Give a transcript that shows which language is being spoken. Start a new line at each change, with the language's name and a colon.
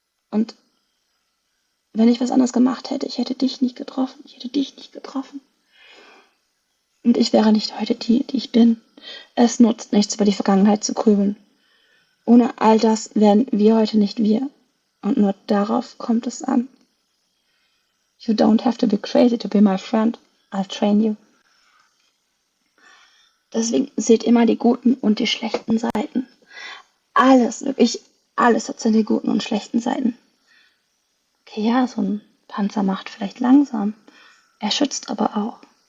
German: Und wenn ich was anders gemacht hätte, ich hätte dich nicht getroffen. Ich hätte dich nicht getroffen. Und ich wäre nicht heute die, die ich bin. Es nutzt nichts, über die Vergangenheit zu grübeln. Ohne all das wären wir heute nicht wir. Und nur darauf kommt es an.
English: You don't have to be crazy to be my friend. I'll train you.
German: Deswegen seht immer die guten und die schlechten Seiten. Alles, wirklich alles hat seine guten und schlechten Seiten. Okay, ja, so ein Panzer macht vielleicht langsam. Er schützt aber auch.